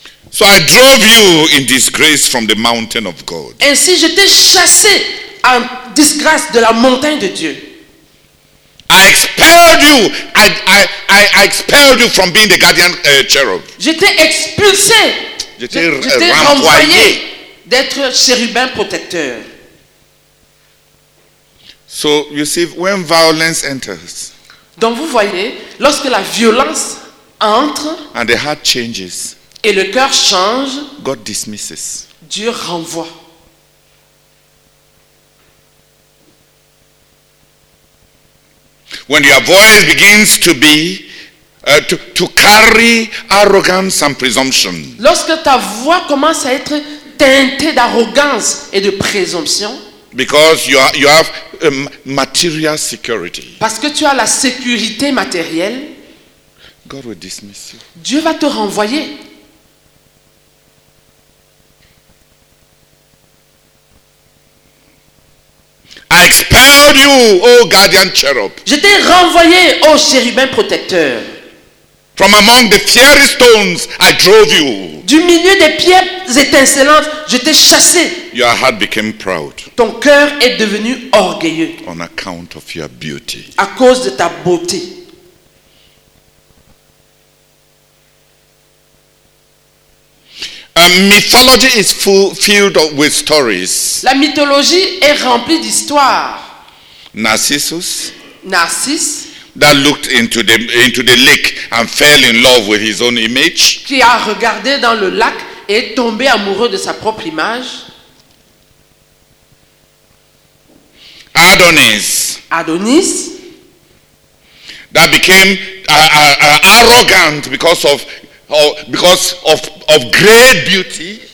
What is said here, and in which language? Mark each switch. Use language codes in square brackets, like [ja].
[en] So I drove you in disgrace from the mountain of God. [fr] Ainsi, je t'ai chassé en disgrâce de la montagne de Dieu. [en] I expelled you. I expelled you from being the guardian cherub. [fr] J'étais expulsé. J'étais renvoyé d'être chérubin protecteur. [en] So you see, when violence enters. [fr] Donc vous voyez, lorsque la violence entre. [en] And the heart changes. [fr] Et le cœur change. [en] God dismisses. [fr] Dieu renvoie. [en] When your voice begins to be to carry arrogance and presumption. [fr] Lorsque ta voix commence à être teintée d'arrogance et de présomption. [en] Because you have material security. [fr] Parce que tu as la sécurité matérielle. [en] God will dismiss you. [fr] Dieu va te renvoyer. [en] I expelled you, O guardian cherub. [fr] Je t'ai renvoyé, ô chérubin protecteur. [en] From among the fiery stones, I drove you. [fr] Du milieu des pierres étincelantes, je t'ai chassé. [en] Your heart became proud. [fr] Ton cœur est devenu orgueilleux. [en] On account of your beauty. [fr] À cause de ta beauté. [en] Mythology is filled with stories. [fr] La mythologie est remplie d'histoires. [en] Narcissus. That looked into the lake and fell in love with his own image. [fr] Qui a regardé dans le lac et est tombé amoureux de sa propre image. [en] Adonis. That became arrogant because of great beauty.